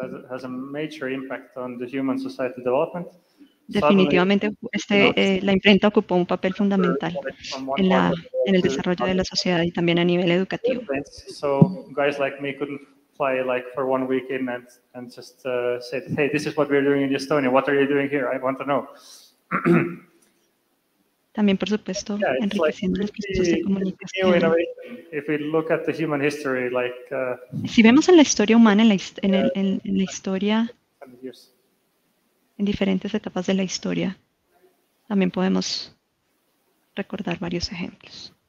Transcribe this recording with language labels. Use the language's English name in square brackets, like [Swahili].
[English] Has a major impact on the human society development. [Spanish] Definitivamente, la imprenta ocupó un papel fundamental en el desarrollo de la sociedad y también a nivel educativo. [English] So guys like me couldn't fly like for one week in and just say, hey, this is what we're doing in Estonia. What are you doing here? I want to know. [Spanish] También, por supuesto, enriqueciendo los procesos de comunicación. [English] If we look at the human history, [Spanish] si vemos en la historia humana, en la historia, en diferentes etapas de la historia, también podemos recordar varios ejemplos.